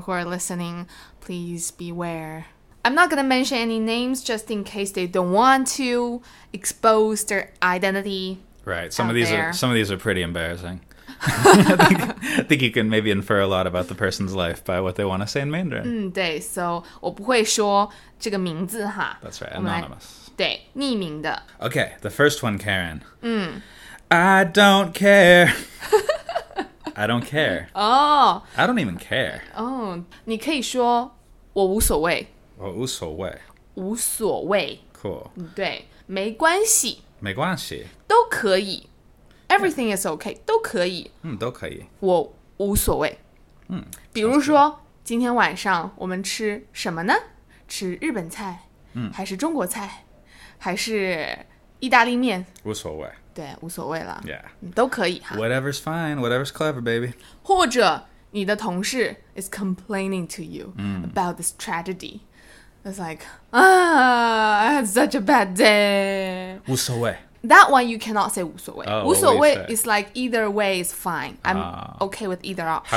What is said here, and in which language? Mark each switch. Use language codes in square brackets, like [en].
[en] who are listening, please beware. I'm not going to mention any names just in case they don't want to expose their identity. Right, some of these are pretty embarrassing. I think you can maybe infer a lot about the person's life by what they want to say in Mandarin. [zh] 对 ,so 我不会说这个名字哈。 [en] That's right, anonymous. [zh] 对,匿名的。 [en] Okay, the first one, Karen. I don't care. I don't care. Oh. I don't even care. [zh] Oh, 你可以说我无所谓。我无所谓。无所谓。 [en] Cool. [zh] 对,没关系。没关系。都可以。 [en] Everything is okay, [zh] 都可以。都可以。我无所谓。比如说今天晚上我们吃什么呢？吃日本菜，还是中国菜，还是意大利面？无所谓。对，无所谓了。 [en] Yeah. [zh] 都可以。 [en] Whatever's fine, whatever's clever, baby. [zh] 或者你的同事 [en] is complaining to you about this tragedy. It's like, I had such a bad day. [zh] 无所谓。 [en] That one you cannot say 无所谓、 oh, 无所谓 is like either way is fine. I'm okay with either option.